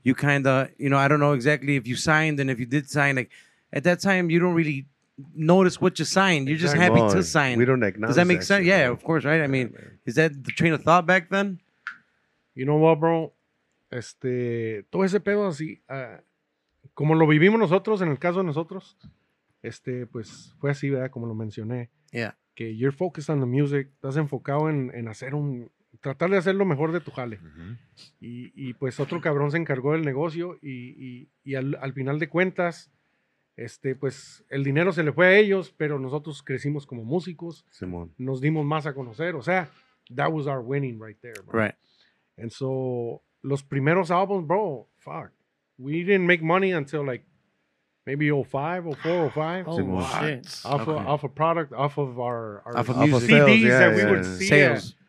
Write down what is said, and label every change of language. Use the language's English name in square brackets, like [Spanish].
[English] You kind of, you know, I don't know exactly if you signed and if you did sign, like, at that time, you don't really notice what you signed. You're just happy to sign. We don't acknowledge. Does that make sense? Yeah, of course, right? I mean, is that the train of thought back then? You know what, bro? [Spanish] Todo ese pedo así, como lo vivimos nosotros, en el caso de nosotros, pues fue así, ¿verdad? Como lo mencioné. [English] Yeah. [Spanish] Que [English] you're focused on the music. [Spanish] Estás enfocado en hacer un... Tratar de hacer lo mejor de tu jale. Uh-huh. Y pues otro cabrón se encargó del negocio y al final de cuentas, Pues el dinero se le fue a ellos, pero nosotros crecimos como músicos. Simón. Nos dimos más a conocer. O sea, [English] that was our winning right there, bro. Right. And so, [Spanish] los primeros albums, [English] bro, fuck. We didn't make money until like maybe 05, 04, 05. [Spanish] Oh, Simón. Shit. [English] Off of our CDs that we would see.